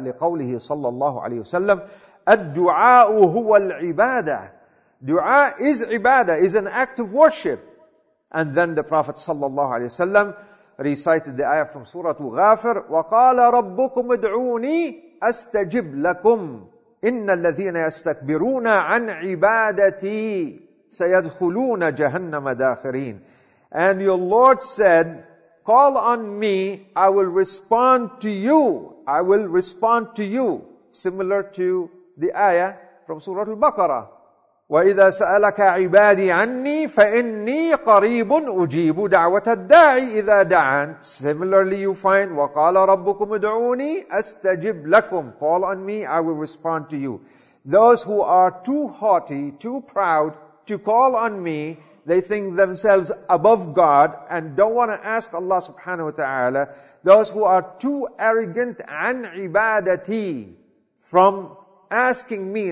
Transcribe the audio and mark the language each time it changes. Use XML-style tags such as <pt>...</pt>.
<ar>لقوله صلى الله عليه وسلم, الدعاء هو العبادة.</ar> <en>Dua is ibadah, is an act of worship. And then the Prophet صلى الله عليه وسلم recited the ayah from Surah Ghafir,</en> <ar>وقال ربكم ادعوني أستجب لكم إن الذين يستكبرون عن عبادتي سيدخلون جهنم داخرين.</ar> <en>And your Lord said, call on me, I will respond to you. I will respond to you. Similar to the ayah from Surah Al-Baqarah.</en> <ar>وَإِذَا سَأَلَكَ عِبَادِي عَنِّي فَإِنِّي قَرِيبٌ أُجِيبُ دَعْوَةَ الدَّاعِ إِذَا دَعَانِ.</ar> <en>Similarly, you find,</en> <ar>وَقَالَ رَبُّكُمْ ادْعُونِي أَسْتَجِبْ لَكُمْ.</ar> <en>Call on me, I will respond to you. Those who are too haughty, too proud to call on me, they think themselves above God and don't want to ask Allah subhanahu wa ta'ala. Those who are too arrogant,</en> <ar>عَنْ عِبَادَتِي,</ar> <en>from asking me.</en>